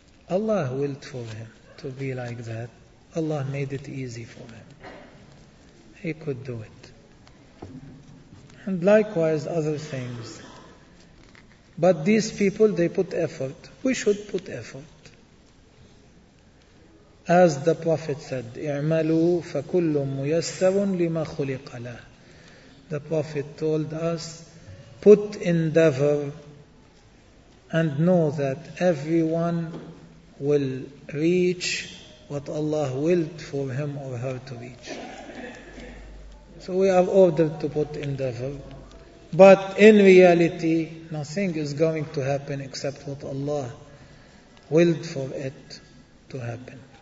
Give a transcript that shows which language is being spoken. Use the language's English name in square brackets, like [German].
[English] Allah willed for him to be like that. Allah made it easy for him. He could do it. And likewise other things. But these people, they put effort. We should put effort. As the Prophet said, [Arabic] اِعْمَلُوا فَكُلُّ مُيَسَّرٌ لِمَا خُلِقَ لَهُ. [English] The Prophet told us, put endeavor and know that everyone will reach what Allah willed for him or her to reach. So we are ordered to put endeavor. But in reality, nothing is going to happen except what Allah willed for it to happen.